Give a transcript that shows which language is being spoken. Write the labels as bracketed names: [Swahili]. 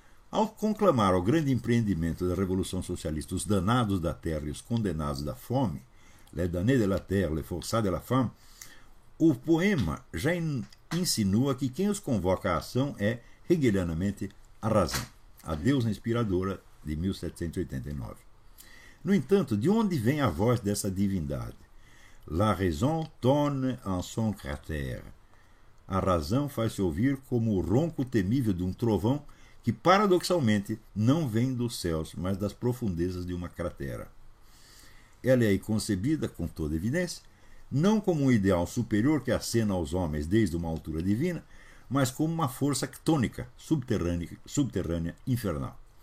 [Portuguese] Ao conclamar ao grande empreendimento da Revolução Socialista os danados da terra e os condenados da fome, [French] Les damnés de la terre, les forçats de la faim, [Portuguese] o poema já insinua que quem os convoca à ação é, hegelianamente, a razão, a deusa inspiradora de 1789. No entanto, de onde vem a voz dessa divindade? [French] La raison tonne en son cratère. [Portuguese] A razão faz-se ouvir como o ronco temível de um trovão que, paradoxalmente, não vem dos céus, mas das profundezas de uma cratera. Ela é aí concebida, com toda evidência, não como um ideal superior que acena aos homens desde uma altura divina, mas como uma força tônica, subterrânea, infernal.